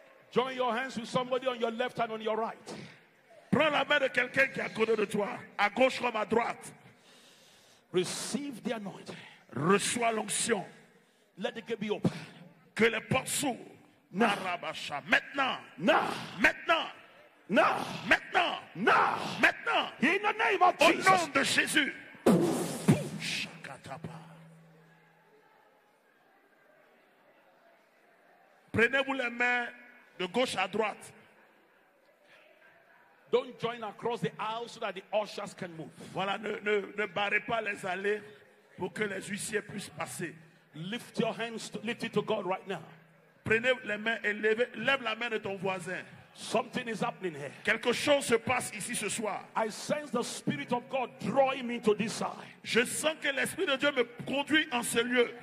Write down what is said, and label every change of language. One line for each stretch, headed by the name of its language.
English: Join your hands with somebody on your left and on your right.
French: Prends la main de quelqu'un qui est à côté de toi, à gauche comme à droite.
English: Receive the anointing.
French: Reçois l'onction.
English: Let the gate be open.
French: Que les portes s'ouvrent. Maintenant. Maintenant.
English: Now.
French: Maintenant.
English: Now.
French: Maintenant.
English: Now.
French: Maintenant.
English: In the name of
French: Au
English: Jesus.
French: Nom de Jésus. Prenez-vous les mains de gauche à droite.
English: Don't join across the aisle so that the ushers can move.
French: Voilà, ne barrez pas les allées pour que les huissiers puissent passer.
English: Lift your hands, lift it to God right now.
French: Prenez les mains et lève la main de ton voisin.
English: Something is happening here.
French: Quelque chose se passe ici ce soir.
English: I sense the Spirit of God drawing me to this side.
French: Je sens que l'Esprit de Dieu me conduit en ce lieu.